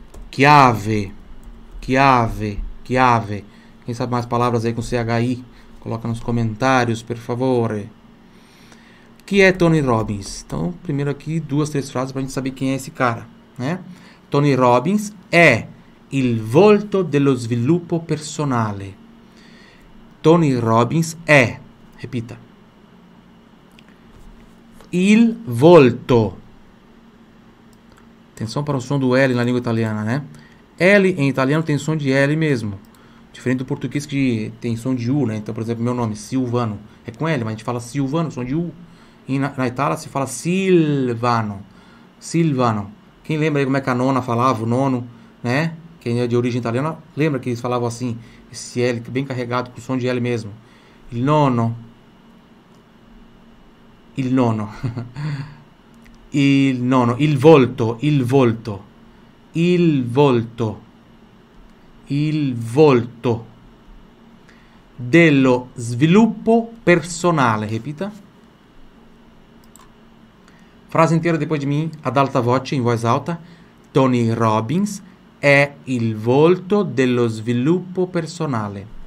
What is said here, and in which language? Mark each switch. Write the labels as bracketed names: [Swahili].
[Italian] Chiave. Chiave. Chiave. [Portuguese] Quem sabe mais palavras aí com CHI? Coloca nos comentários, por favor. Que é Tony Robbins? Então, primeiro aqui, duas, três frases pra gente saber quem é esse cara, né? [Italian] Tony Robbins é il volto dello sviluppo personale. Tony Robbins è, [Portuguese] repita, [Italian] il volto. [Portuguese] Atenção para o som do L na língua italiana, né? L em italiano tem som de L mesmo. Diferente do português que tem som de U, né? Então, por exemplo, meu nome, Silvano, é com L, mas a gente fala Silvano, som de U. E na Itália se fala Silvano. Silvano. Quem lembra aí como é que a nona falava, o nono, né? Quem é de origem italiana, lembra que eles falavam assim, esse L bem carregado com o som de L mesmo. [Italian] Il nono. Il nono. Il nono. Il volto. Il volto. Il volto. Il volto. Dello sviluppo personale. [Portuguese] Repita. Frase inteira depois de mim, [Italian] ad alta voce, [Portuguese] em voz alta. [Italian] Tony Robbins è il volto dello sviluppo personale.